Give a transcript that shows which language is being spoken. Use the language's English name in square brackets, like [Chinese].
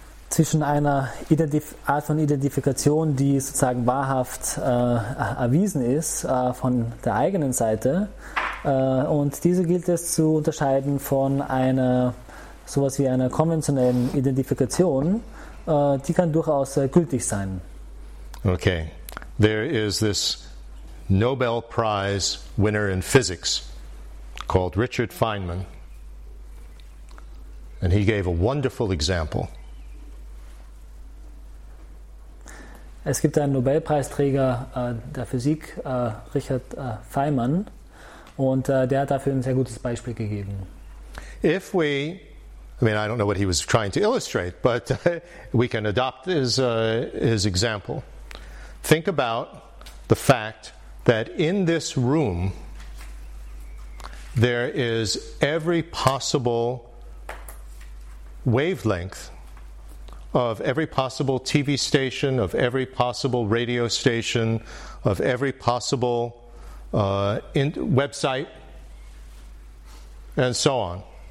[German] zwischen einer Art von Identifikation, die sozusagen wahrhaft erwiesen ist von der eigenen Seite, und diese gilt es zu unterscheiden von einer sowas wie einer konventionellen Identifikation, die kann durchaus gültig sein. [English] Okay, there is this Nobel Prize winner in physics called Richard Feynman, and he gave a wonderful example. [German] Es gibt einen Nobelpreisträger der Physik, Richard Feynman, und der hat dafür ein sehr gutes Beispiel gegeben. [English] If we, I mean, I don't know what he was trying to illustrate, but we can adopt his example. Think about the fact that in this room there is every possible wavelength of every possible TV station, of every possible radio station, of every possible website, and so on.